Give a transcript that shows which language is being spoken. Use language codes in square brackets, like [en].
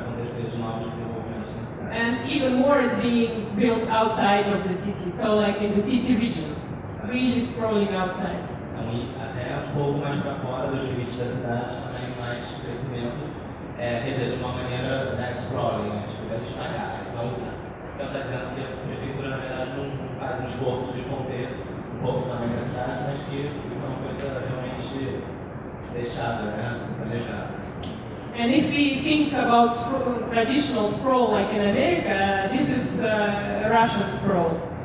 [en] And even more is being built outside of the city. So like in the city region, really sprawling outside. [pt] Um pouco mais para fora dos limites da cidade, também mais crescimento, quer dizer, de uma maneira sprawling, tipo, espalhada. Então, ela está dizendo que a prefeitura, na verdade, não faz um esforço de conter um pouco também da cidade, mas que isso é uma coisa realmente deixada, né? Assim, planejada. [en] And if we think about traditional sprawl, like in America, this is Russian sprawl.